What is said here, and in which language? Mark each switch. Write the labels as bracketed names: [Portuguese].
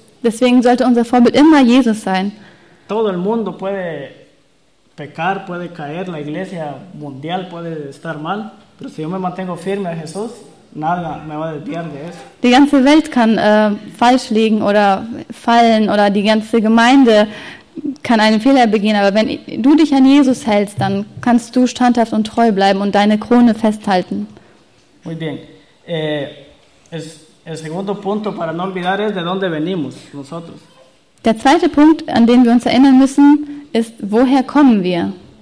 [German] Deswegen sollte unser Vorbild immer Jesus sein. [Spanish] Todo el mundo puede pecar, puede caer, la iglesia mundial puede estar mal, pero si yo me mantengo firme a Jesús, nada me va a desviar de eso. [German] Die ganze Welt kann falsch liegen oder fallen oder die ganze Gemeinde kann einen Fehler begehen, aber wenn du dich an Jesus hältst, dann kannst du standhaft und treu bleiben und deine Krone festhalten. [Spanish] Muy bien. El segundo punto para no olvidar es de dónde venimos nosotros. [German] Der zweite Punkt, an den wir uns erinnern müssen, ist, woher kommen wir?